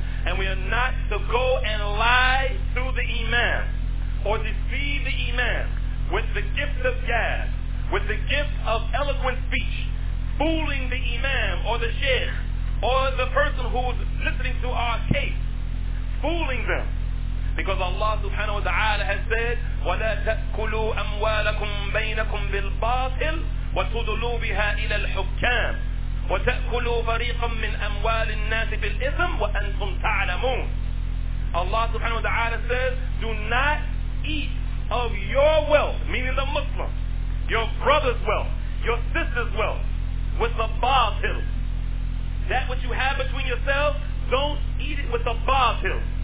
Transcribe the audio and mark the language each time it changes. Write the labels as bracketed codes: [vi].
[en] And we are not to go and lie to the imam or deceive the imam with the gift of gab, with the gift of eloquent speech, fooling the imam or the sheikh or the person who is listening to our case, fooling them. Because Allah subhanahu wa ta'ala has said, [ar] وَلَا تَأْكُلُوا أَمْوَالَكُمْ بَيْنَكُمْ بِالْبَاطِلِ وَتُدُلُوا بِهَا إِلَى الْحُكَّامِ وَتَأْكُلُوا فَرِيقًا مِّنْ أَمْوَالِ النَّاسِ بِالْإِثْمِ وَأَنْتُمْ تَعْلَمُونَ. [en] Allah subhanahu wa ta'ala says, do not eat of your wealth, meaning the Muslim, your brother's wealth, your sister's wealth, with the batil. That which you have between yourselves, don't eat it with the batil.